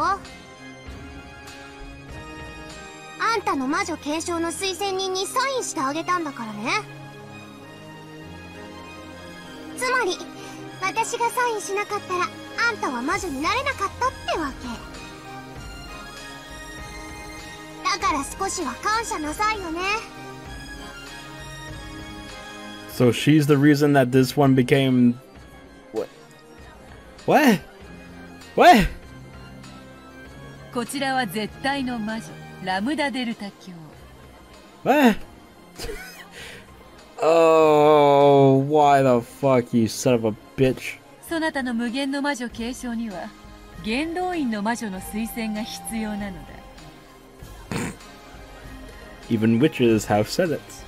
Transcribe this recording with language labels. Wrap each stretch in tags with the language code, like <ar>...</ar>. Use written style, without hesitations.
<ja>あんたの魔女継承の推薦人にサインしてあげたんだからね。つまり私がサインしなかったらあんたは魔女になれなかったってわけだから、少しは感謝なさいよね。</ja> <en>So she's the reason that this one became What? 喂。</en> <ja>こちらは絶対の魔女、ラムダデルタ卿。喂。</ja> <en>Oh, why the fuck, you son of a bitch.</en> <ja>そなたの無限の魔女継承には、元老院の魔女の推薦が必要なのだ。</ja> <en>Even witches have said it.</en>